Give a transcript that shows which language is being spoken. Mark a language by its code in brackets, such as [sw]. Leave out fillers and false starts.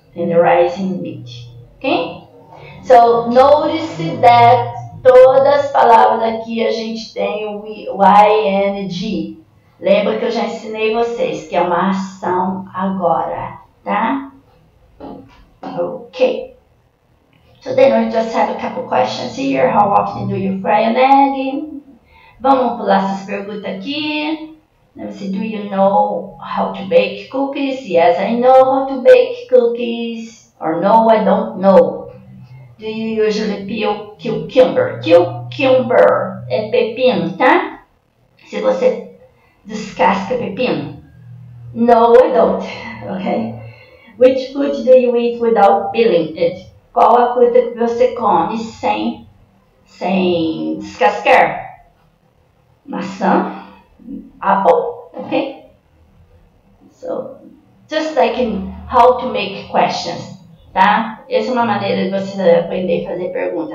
[en] Tenderizing meat, ok? So, notice that [pt] todas as palavras aqui a gente tem o ing. Lembra que eu já ensinei vocês que é uma ação agora, tá? Ok. [en] So then we just have a couple questions here. How often do you fry an egg? [pt] Vamos pular essas perguntas aqui. [en] Let me see, do you know how to bake cookies? Yes, I know how to bake cookies. Or no, I don't know. Do you usually peel cucumber? [pt] Cucumber é pepino, tá? Se você descasca pepino? [en] No, I don't. Okay. Which food do you eat without peeling it? [pt] Qual a fruta que você come sem descascar? Maçã? Apple? Okay. [en] So, just like in how to make questions. Tá? [pt] Essa é uma maneira de você aprender a fazer pergunta.